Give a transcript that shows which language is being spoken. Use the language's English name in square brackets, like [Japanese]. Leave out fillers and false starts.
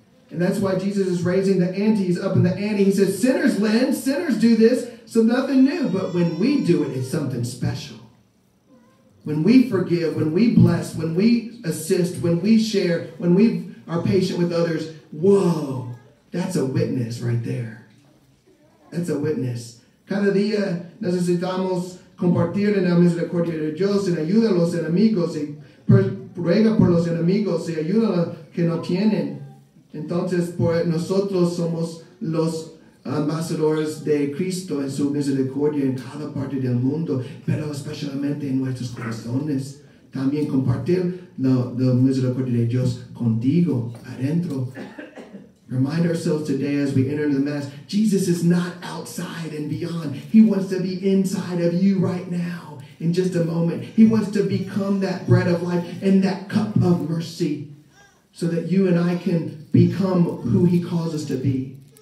[English] And that's why Jesus is raising the ante. He's up in the ante. He says, sinners lend, sinners do this. So nothing new. But when we do it, it's something special. When we forgive, when we bless, when we assist, when we share, when we are patient with others, whoa, that's a witness right there. That's a witness. [Spanish] Cada día necesitamos compartir en la misericordia de Dios y ayuda a los enemigos y ruega por los enemigos y ayuda a los que no tienen. Entonces, pues nosotros somos los ambasadores de Cristo en su misericordia en cada parte del mundo, pero especialmente en nuestros corazones. También compartir la misericordia de Dios contigo, adentro. [English] Remind ourselves today as we enter the Mass, Jesus is not outside and beyond. He wants to be inside of you right now, in just a moment. He wants to become that bread of life and that cup of mercy so that you and I can become who he calls us to be.